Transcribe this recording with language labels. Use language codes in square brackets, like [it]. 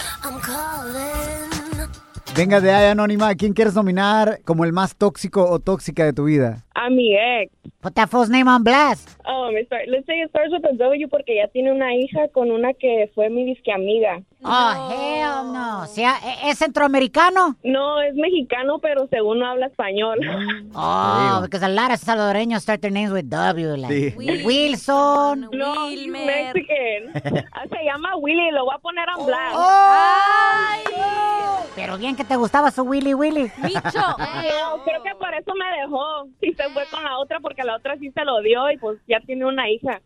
[en] I'm calling. [es] Venga de ahí, Anónima. ¿Quién quieres nominar como el más tóxico o tóxica de tu vida? [en] I'm [es] mi ex. [en] Put that full name on blast. Oh, let's say it starts with a W [es] porque ya tiene una hija con una que fue mi disque amiga. [en] Oh, no. Hell no. [es] ¿Sea, es centroamericano? No, es mexicano, pero según no habla español. [en] Oh, because a lot of salvadoreños start their names with W. Like sí. Wilson. No, Wilmer. Mexican. [es] Se llama Willy, lo voy a poner [en] on blast. [es] Oh, ay, no. Pero bien que te gustaba su Willy Willy. Micho. No, creo que por eso me dejó. Si se fue con la otra, porque la otra sí se lo dio y pues ya tiene una hija.